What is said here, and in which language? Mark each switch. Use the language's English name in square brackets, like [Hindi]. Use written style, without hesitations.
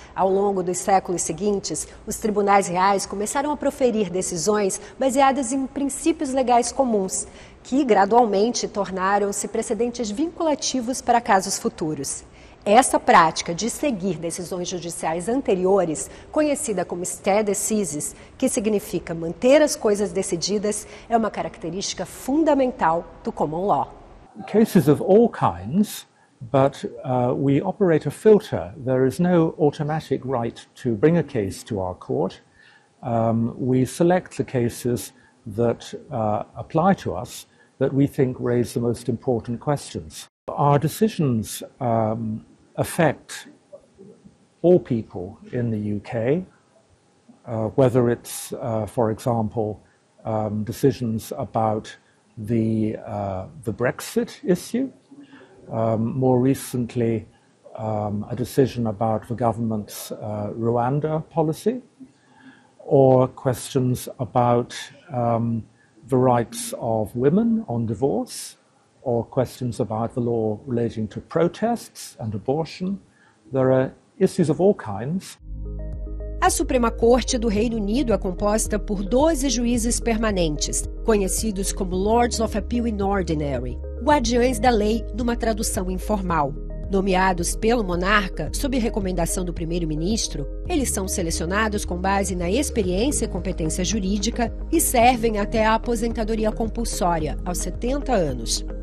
[Portuguese] Ao longo dos séculos seguintes, os tribunais reais começaram a proferir decisões baseadas em princípios legais comuns, que gradualmente tornaram-se precedentes vinculativos para casos futuros. Essa prática de seguir decisões judiciais anteriores, conhecida como stare decisis, que significa manter as coisas decididas, é uma característica fundamental do common law. [English] Cases of all kinds, but we operate a filter. There is no automatic right to bring a case to our court. We select the cases that apply to us that we think raise the most important questions. Our decisions affect all people in the UK, whether it's, for example, decisions about the Brexit issue, more recently a decision about the government's Rwanda policy, or questions about the rights of women on divorce, or questions about the law relating to protests and abortion. There are issues of all kinds. [Portuguese] A Suprema Corte do Reino Unido é composta por 12 juízes permanentes, conhecidos como Lords of Appeal in Ordinary, guardiões da lei numa tradução informal. Nomeados pelo monarca, sob recomendação do primeiro-ministro, eles são selecionados com base na experiência e competência jurídica e servem até a aposentadoria compulsória, aos 70 anos.